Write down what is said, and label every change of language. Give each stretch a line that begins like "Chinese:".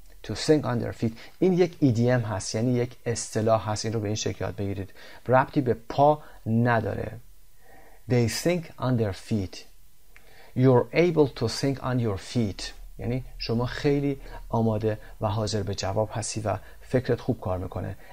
English: To think on their feet،
Persian: این یک ایدیم هست، یعنی یک اصطلاح هست، این رو به این شکل یاد بگیرید، ربطی به پا نداره.
English: They think on their feet. You're able to think on your feet،
Persian: یعنی شما خیلی آماده و حاضر به جواب هستی و فکرت خوب کار میکنه.